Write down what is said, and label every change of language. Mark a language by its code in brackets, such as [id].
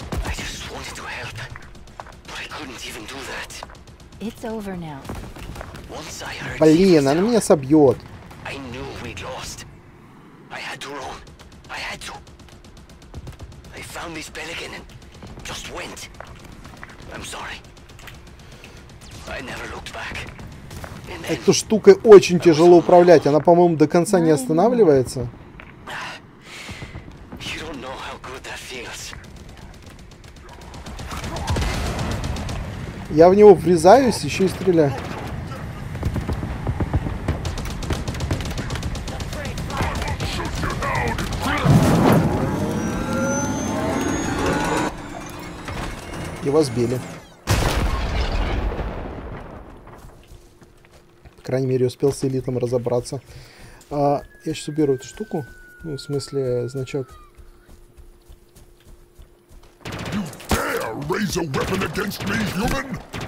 [en] I just wanted to help, but I couldn't even do that. It's over now. Once I heard. [ru] Блин, она меня собьет. [en] I knew we'd lost. I had to run. I had to. I found this pelican and just went. I'm sorry. I never looked back. [ru] Эту штукой очень тяжело управлять. Она, по-моему, до конца не останавливается. [en] You don't know how good that feels. [ru] Я в него врезаюсь, еще и стреляю. Его сбили. По крайней мере, успел с элитом разобраться. Я сейчас уберу эту штуку. Ну, в смысле, значок. [en] You dare raise a weapon against me, human?